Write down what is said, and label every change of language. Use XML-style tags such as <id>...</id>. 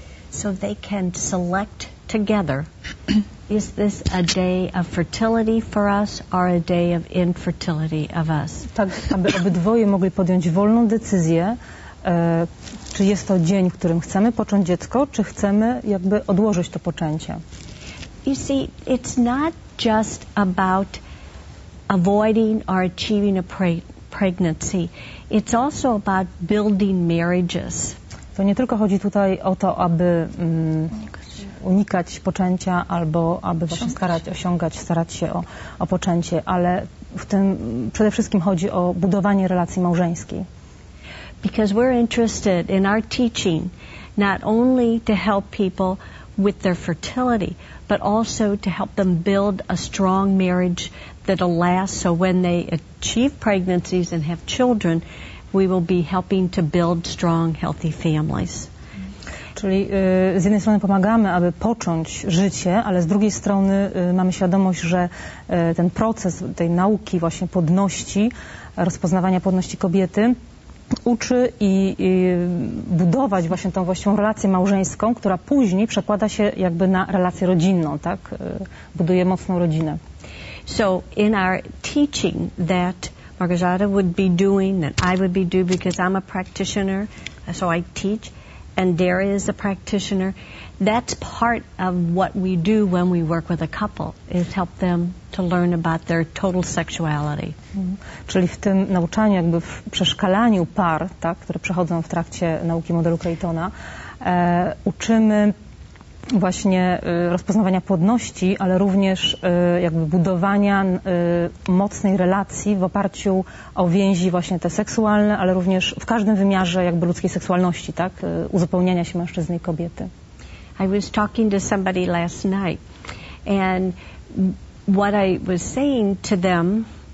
<en>So they can select together. Is this a day of fertility for us or a day of infertility of us?</en> <pl>Tak, aby obydwoje mogli podjąć wolną decyzję, czy jest to dzień, w którym chcemy począć dziecko, czy chcemy jakby odłożyć to poczęcie.</pl> <en>You see, it's not just about avoiding or achieving a pregnancy. It's also about building marriages.</en> <pl>To nie tylko chodzi tutaj o to, aby unikać poczęcia albo aby właśnie starać się o poczęcie, ale w tym przede wszystkim chodzi o budowanie relacji małżeńskiej.</pl> <en>Because we're interested in our teaching not only to help people with their fertility, but also to help them build a strong marriage that'll last, so when they achieve pregnancies and have children, we will be helping to build strong, healthy families.</en> <pl>Czyli z jednej strony pomagamy, aby począć życie, ale z drugiej strony mamy świadomość, że ten proces tej nauki właśnie płodności, rozpoznawania płodności kobiety uczy i budować właśnie tą właściwą relację małżeńską, która później przekłada się jakby na relację rodzinną, tak? Buduje mocną rodzinę.</pl> <en>So in our teaching that Margarita would be doing, that I would be doing, because I'm a practitioner, so I teach, and Daria is a practitioner. That's part of what we do when we work with a couple, is help them to learn about their total sexuality.</en> <pl>Czyli w tym nauczaniu, jakby w przeszkalaniu par, tak, które przechodzą w trakcie nauki modelu Creightona, uczymy właśnie rozpoznawania płodności, ale również jakby budowania mocnej relacji w oparciu o więzi właśnie te seksualne, ale również w każdym wymiarze jakby ludzkiej seksualności, tak? Uzupełniania się mężczyzny i kobiety.</pl> <en>I was talking to somebody last night and what I was saying to them.</en>